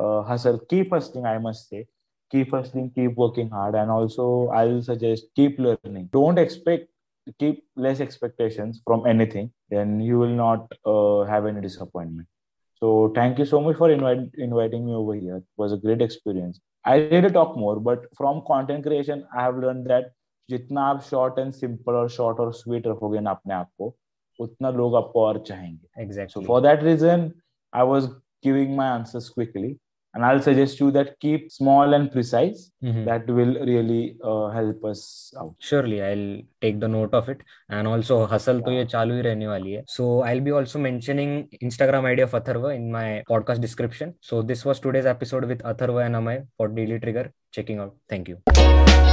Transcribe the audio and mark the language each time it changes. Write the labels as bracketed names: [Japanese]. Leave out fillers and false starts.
[English] Hustle, keep hustling, I must say. Keep hustling, keep working hard, and also I'll suggest keep learning. Don't keep less expectations from anything, then you will not have any disappointment. So thank you so much for inviting me over here. It was a great experience. I need to talk more, but from content creation, I have learned that [Hindi] जितना आप short and simple और short और sweet रखोगे ना अपने आप को, उतना लोग आपको और चाहेंगे. [English] Exactly. So for that reason I was giving my answers quickly and I will suggest you that keep small and precise, that will really help us out. Surely I will take the note of it. And also hustle [Hindi] तो ये चालू ही रहने वाली है. [English] So I will be also mentioning Instagram ID of Atharva in my podcast description. So this was today's episode with Atharva and Amay for daily trigger. Checking out. Thank you.